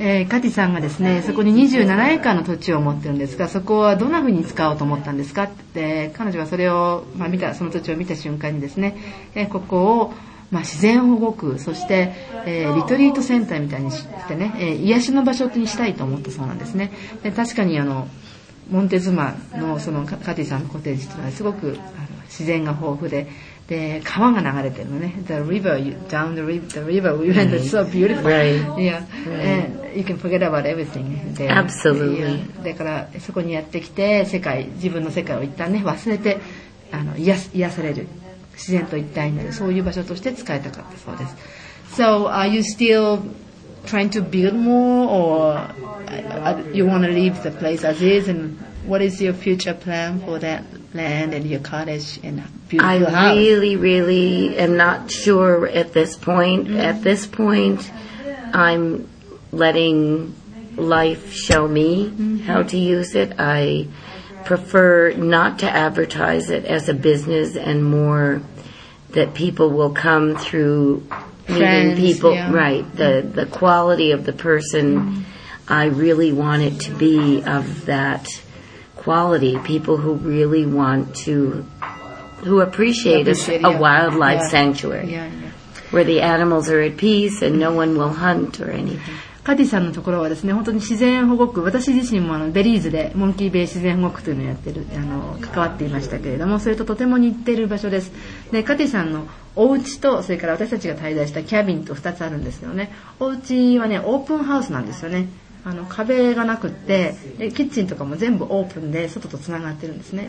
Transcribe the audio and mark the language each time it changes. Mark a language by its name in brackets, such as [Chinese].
[Japanese] カティさんがですね、そこに27エーカーの土地を持ってるんですが、そこはどんな風に使おうと思ったんですかって、彼女はそれを、見た、その土地を見た瞬間にですね、ここを自然保護区、そして、リトリートセンターみたいにしてね、癒しの場所にしたいと思ったそうなんですね。で確かにモンテズマのそのカティさんのコテージというのはすごく自然が豊富で、で川が流れてるのね。 [English] The river, down the river we went, it's so beautiful. Right. Yeah. And you can forget about everything there. Absolutely. Yeah. [Japanese] だからそこにやってきて、自分の世界を一旦ね忘れて、癒される自然と一体になる、そういう場所として使いたかったそうです。 [English] So are you still trying to build more, or you want to leave the place as is, and what is your future plan for that land and your cottage and beautiful house? I really, really am not sure at this point. At this point, I'm letting life show me how to use it. I prefer not to advertise it as a business and more that people will come through meeting people. Yeah. Right. The quality of the person, I really want it to be of that quality. People who really want to, who appreciate it, yeah. a wildlife sanctuary. Yeah, yeah. Where the animals are at peace and no one will hunt or anything. [Japanese] カディさんのところはですね、本当に自然保護区、私自身もあのベリーズでモンキーベイ自然保護区というのをやってる、あの関わっていましたけれども、それととても似ている場所です。で、カディさんのお家と、それから私たちが滞在したキャビンと2つあるんですよね。お家はね、オープンハウスなんですよね。あの壁がなくって、キッチンとかも全部オープンで外とつながってるんですね。